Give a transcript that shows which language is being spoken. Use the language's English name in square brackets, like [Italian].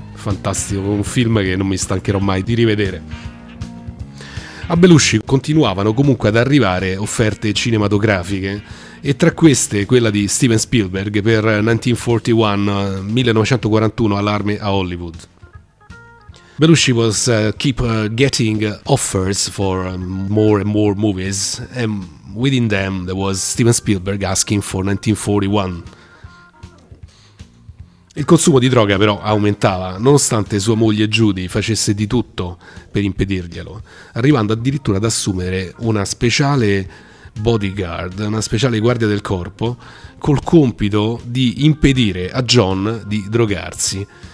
[Italian] Fantastico, un film che non mi stancherò mai di rivedere. A Belushi continuavano comunque ad arrivare offerte cinematografiche, e tra queste quella di Steven Spielberg per 1941, Allarme a Hollywood. [English] Belushi was keep getting offers for more and more movies, and within them there was Steven Spielberg asking for 1941. [Italian] Il consumo di droga però aumentava, nonostante sua moglie Judy facesse di tutto per impedirglielo, arrivando addirittura ad assumere una speciale bodyguard, una speciale guardia del corpo, col compito di impedire a John di drogarsi.